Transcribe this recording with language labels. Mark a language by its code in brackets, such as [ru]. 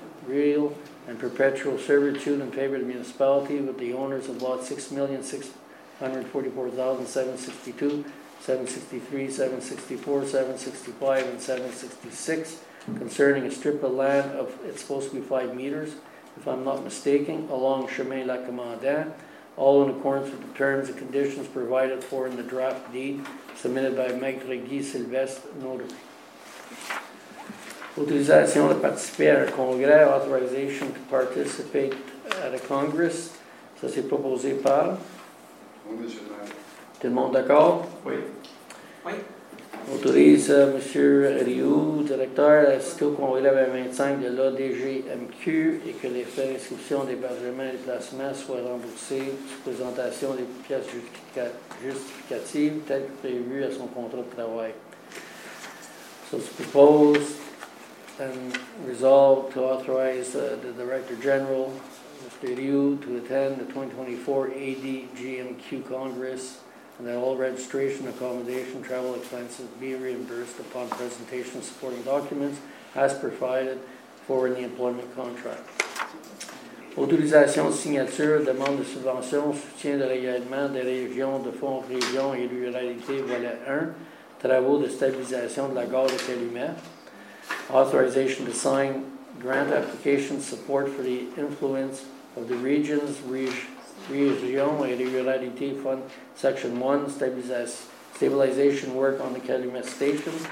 [en] real and perpetual servitude in favor of the municipality with the owners of lot 6,644,762, 763, 764, 765, and 766 concerning a strip of land of, it's supposed to be 5 meters, if I'm not mistaken, along Chemin La Commandant, all in accordance with the terms and conditions provided for in the draft deed submitted by Maître Guy Sylvestre, notary. [fr] Autorisation de participer à un congrès, [en] authorization to participate at a congress, [fr] ça c'est proposé par... Tout le monde d'accord? Oui. Autorise M. Rioux, directeur, à assister au congrès 25 de l'ADGMQ et que les frais d'inscription, d'hébergement et de placement soient remboursés sous présentation des pièces justificatives telles que prévues à son contrat de travail. [en] So, it's proposed and resolved to authorize the Director General, Mr. Rioux, to attend the 2024 ADGMQ Congress. And that all registration, accommodation, travel expenses be reimbursed upon presentation of supporting documents as provided for in the employment contract. [fr] Autorisation de signature, demande de subvention, soutien de l'engagement des régions, de fonds régions et ruralité, volet 1, travaux de stabilisation de la gare de Calumet. [en] Authorization to sign grant application support for the influence of the regions, Région et Régularité Fund, Section 1, Stabilization Work on the Calumet Station.